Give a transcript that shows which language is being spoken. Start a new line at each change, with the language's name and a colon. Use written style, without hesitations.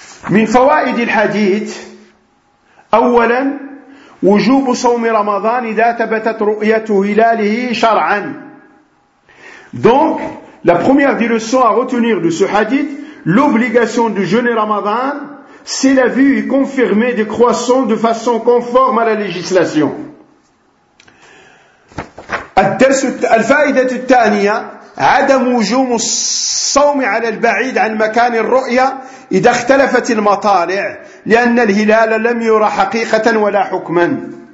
Arabic: من فوائد الحديث أولا وجوب صوم رمضان إذا ثبتت رؤية هلاله شرعا.
French: Donc la première des leçons à retenir de ce hadith, l'obligation de jeûner Ramadan si la vue est confirmée des croissants de façon conforme à la législation.
Arabic: الفائدة الثانية عدم وجوب الصوم على البعيد عن مكان الرؤية إذا اختلفت المطالع لأن الهلال لم يرى حقيقة ولا حكما.